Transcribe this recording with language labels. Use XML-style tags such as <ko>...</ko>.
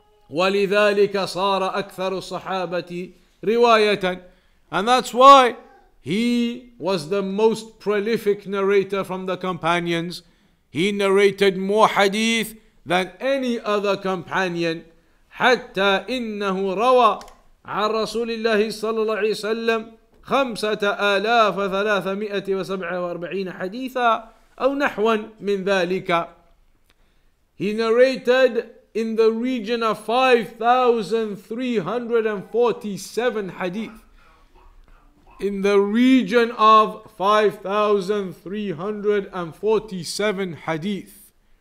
<ar>وَلِذَٰلِكَ صَارَ أَكْثَرُ صَحَابَةِ رِوَايَةً.</ar> <en>And that's why he was the most prolific narrator from the companions. He narrated more hadith than any other companion.</en> <ar>حتى إنه روى عن رسول الله صلى الله عليه وسلم 5,347 حديثا أو نحو من ذلك.</ar> <en>He narrated in the region of 5,347 hadith. In the region of 5,347 hadith.</en>